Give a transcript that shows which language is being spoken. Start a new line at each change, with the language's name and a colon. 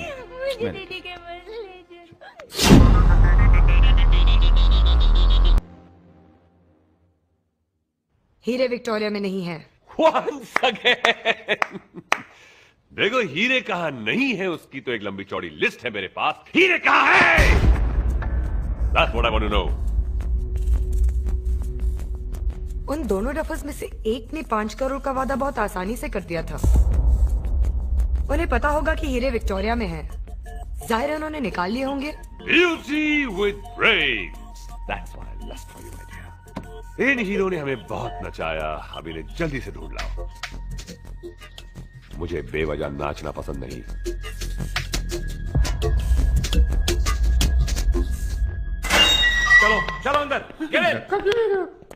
Hindi: हूँ। मुझे दीदी के पास ले जाओ। हीरे विक्टोरिया में नहीं है। देखो हीरे कहा नहीं है उसकी तो एक लंबी चौड़ी लिस्ट है मेरे पास। हीरे कहा है?
English: That's what I want to know.
Hindi: उन दोनों रफ़ल्स में से एक ने 5 करोड़ का वादा बहुत आसानी से कर दिया था। उन्हें पता होगा कि हीरे विक्टोरिया में है, जाहिर है उन्होंने निकाल लिए होंगे।
English: Beauty with brains. That's what I lust for you, my dear.
Hindi: In hero ने हमें बहुत नचाया, अब इन्हें जल्दी से ढूंढ लाओ। मुझे बेवजह नाचना पसंद नहीं। चलो चलो अंदर।